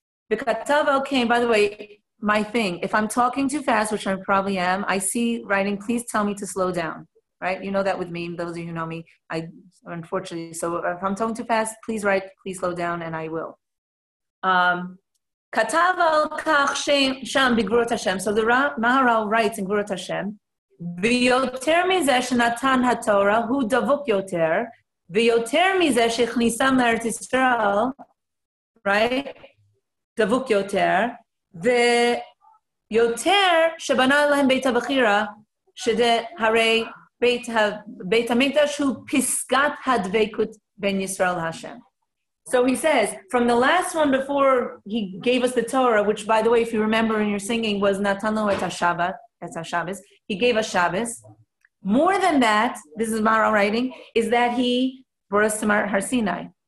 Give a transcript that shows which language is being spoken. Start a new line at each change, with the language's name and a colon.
Hebrew: V'katav al kein,
English: by the way, my thing, if I'm talking too fast, which I probably am, I see writing, please tell me to slow down, right? You know that with me, those of you who know me, I unfortunately, so if I'm talking too fast, please write, please slow down, and I will.
Hebrew: Katav al kach sham b'gvurot Hashem.
English: So the Maharal writes in Gvurot Hashem,
Hebrew: ויותר מזה שנתן התורה הוא דבוק יותר, ויותר מזה שהכניסם לארץ ישראל, right? דבוק יותר, ויותר שבנה להם בית הבחירה, שזה הרי בית המקדש הוא פסגת הדבקות בין ישראל להשם.
English: So he says, from the last one before he gave us the Torah, which by the way, if you remember in your singing, was
Hebrew: Natanu et haShabbat,
English: that's our Shabbos. He gave us Shabbos. More than that, this is Maharal writing, is that he brought us to Har Sinai.